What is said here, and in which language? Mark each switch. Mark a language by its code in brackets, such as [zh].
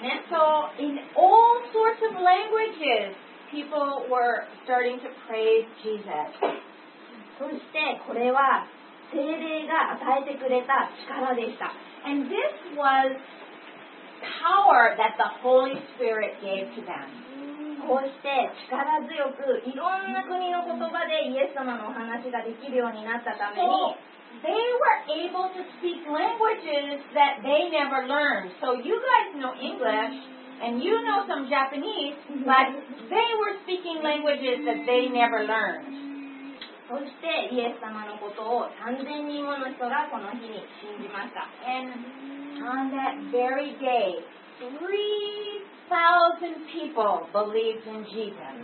[en] So in all sorts of languages, people were starting to praise Jesus. [ja] そしてこれは聖霊が与えてくれた力でした。 [en] And this was power that the Holy Spirit gave to them. [ja] こうして力強くいろんな国の言葉でイエス様のお話ができるようになったために、 [en] They were able to speak languages that they never learned. So you guys know English and you know some Japanese, but they were speaking languages that they never learned. [ja] そしてイエス様のことを3000人もの人がこの日に信じました。 [en] And on that very day, 3,000 people believed in Jesus.